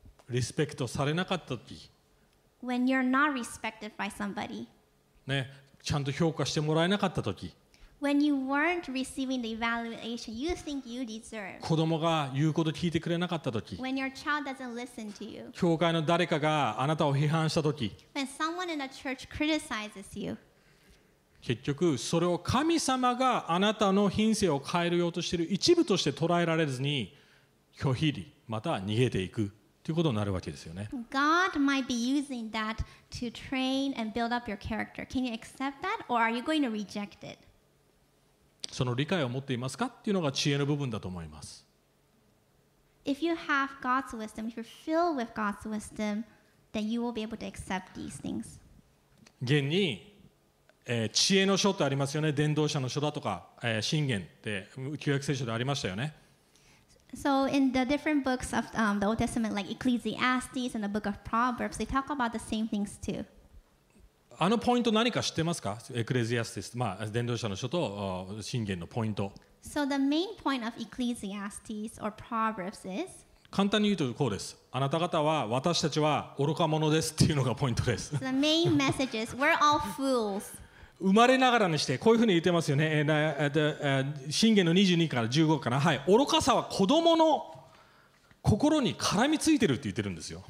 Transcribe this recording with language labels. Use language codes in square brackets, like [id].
[ja] リスペクトされなかったとき [en] When you're not respected by somebody. [ja] ね、ちゃんと評価してもらえなかったとき [en] When you weren't receiving the evaluation you think you deserve. [ja] 子供が言うこと聞いてくれなかったとき。 [en] When your child doesn't listen to you. [ja] 教会の誰かがあなたを批判したとき。 [en] When someone in the church criticizes you. [ja] 結局それを神様があなたの品性を変えるようとしている一部として捉えられずに拒否り、また逃げていくということになるわけですよね。 [en] God might be using that to train and build up your character. Can you accept that or are you going to reject it? [ja] その理解を持っていますかっていうのが知恵の部分だと思います。 [en] If you have God's wisdom, if you're filled with God's wisdom, then you will be able to accept these things. [ja] 現に、知恵の書ってありますよね。伝道者の書だとか、箴言って旧約聖書でありましたよね。 [en] So in the different books of the Old Testament, like Ecclesiastes and the Book of Proverbs, they talk about the same things too. [ja] あのポイント何か知ってますか？エクレジアスティス、まあ伝道者の書と箴言のポイント。 [en] So the main point of Ecclesiastes or Proverbs is [ja] 簡単に言うとこうです。あなた方は私たちは愚か者ですっていうのがポイントです。 [en] The main message is we're all fools. [ja] 生まれながらにしてこういうふうに言ってますよね。箴言の22から15かな。はい、愚かさは子供の心に絡みついてるって言ってるんですよ。